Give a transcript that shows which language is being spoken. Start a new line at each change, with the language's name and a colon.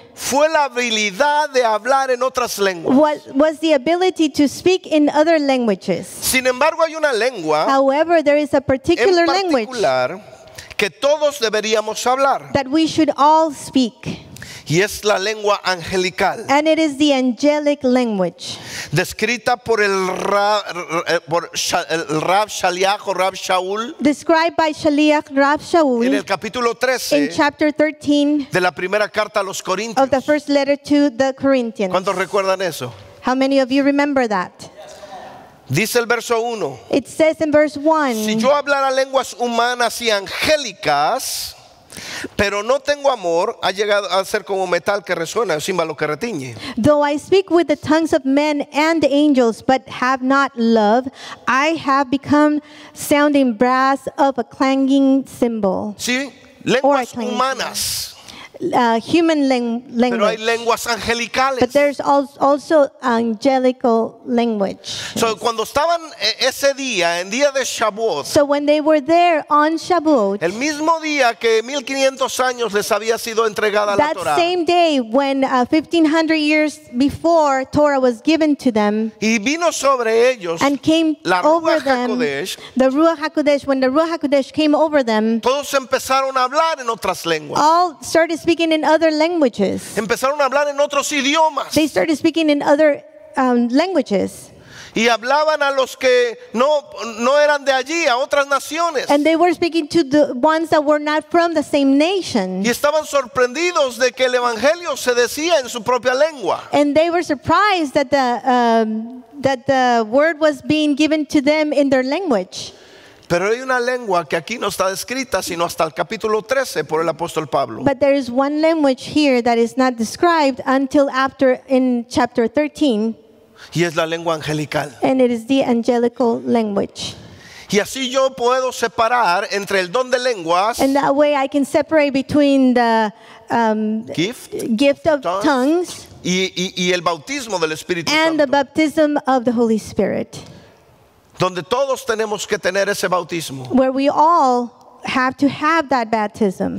Spanish: fue la habilidad de hablar en otras lenguas,
English: was the ability to speak in other languages.
Spanish: Sin embargo, hay una lengua,
English: however, there is a particular language,
Spanish: en particular, que todos deberíamos hablar,
English: that we should all speak.
Spanish: Y es la lengua angelical.
English: And it is the angelic language.
Spanish: Descrita por el Rab Shaliach o Rab Shaul.
English: Described by Shaliach Rab Shaul.
Spanish: En el capítulo 13.
English: In chapter 13.
Spanish: De la primera carta a los Corintios.
English: Of the first letter to the Corinthians.
Spanish: ¿Cuántos recuerdan eso?
English: How many of you remember that?
Spanish: Dice el verso 1.
English: It says in verse 1.
Spanish: Si yo hablara lenguas humanas y angélicas, pero no tengo amor, ha llegado a ser como metal que resuena, un címbalo que retiñe.
English: Though I speak with the tongues of men and angels, but have not love, I have become sounding brass of a clanging cymbal.
Spanish: Sí, lenguas humanas.
English: human language.
Spanish: Pero hay lenguas angelicales.
English: But there's also angelical language. So yes.
Spanish: Cuando estaban ese día, en día de Shavuot.
English: So when they were there on Shavuot.
Spanish: El mismo día que 1500 años les había sido entregada la Torah.
English: That same day when 1500 years before Torah was given to them.
Spanish: Y vino sobre ellos.
English: And came
Spanish: la Ruach
English: over them.
Hebrew: HaKodesh,
English: the Ruach HaKodesh. When the Ruach HaKodesh came over them.
Spanish: Todos empezaron a hablar en otras lenguas.
English: All started speaking in other languages.
Spanish: Empezaron a hablar en otros idiomas.
English: They started speaking in other languages.
Spanish: Y hablaban a los que no eran de allí, a otras naciones.
English: And they were speaking to the ones that were not from the same nation.
Spanish: Y estaban sorprendidos de que el evangelio se decía en su propia lengua.
English: And they were surprised that the word was being given to them in their language.
Spanish: Pero hay una lengua que aquí no está descrita sino hasta el capítulo 13 por el apóstol Pablo.
English: But there is one language here that is not described until after in chapter 13.
Spanish: Y es la lengua angelical.
English: And it is the angelical language.
Spanish: Y así yo puedo separar entre el don de lenguas.
English: And that way I can separate between the gift of tongues.
Spanish: Y el bautismo del Espíritu Santo.
English: And the baptism of the Holy Spirit.
Spanish: Donde todos tenemos que tener ese bautismo.
English: Where we all have to have that baptism.